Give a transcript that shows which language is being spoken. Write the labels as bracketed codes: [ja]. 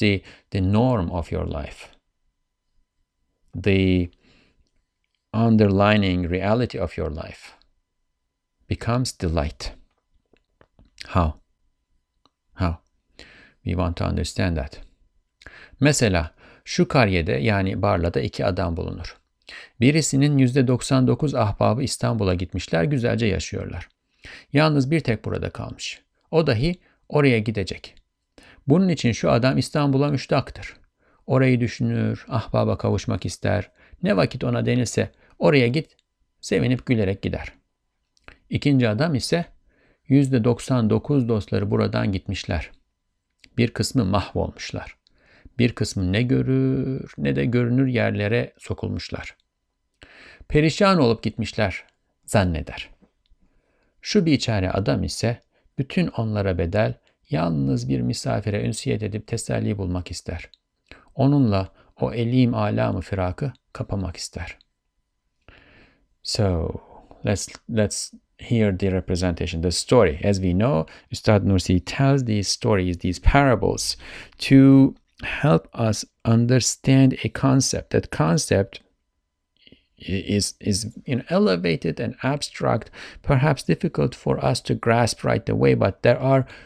[en] The norm of your life, the underlining reality of your life becomes delight. How? We want to understand that. [tr] Mesela, şu karyede yani Barla'da iki adam bulunur. Birisinin %99 ahbabı İstanbul'a gitmişler, güzelce yaşıyorlar. Yalnız bir tek burada kalmış. O dahi oraya gidecek. Bunun için şu adam İstanbul'a müştaktır. Orayı düşünür, ahbaba kavuşmak ister. Ne vakit ona denilse oraya git, sevinip gülerek gider. İkinci adam ise %99 dostları buradan gitmişler. Bir kısmı mahvolmuşlar. Bir kısmı ne görür ne de görünür yerlere sokulmuşlar. Perişan olup gitmişler zanneder. Şu biçare adam ise bütün onlara bedel yalnız bir misafire ünsiyet edip teselli bulmak ister. Onunla o elim alamı firakı kapamak ister. [en] So let's hear the representation, the story. As we know, Ustad Nursi tells these stories, these parables, to help us understand a concept. That concept is elevated and abstract, perhaps difficult for us to grasp right away, but there are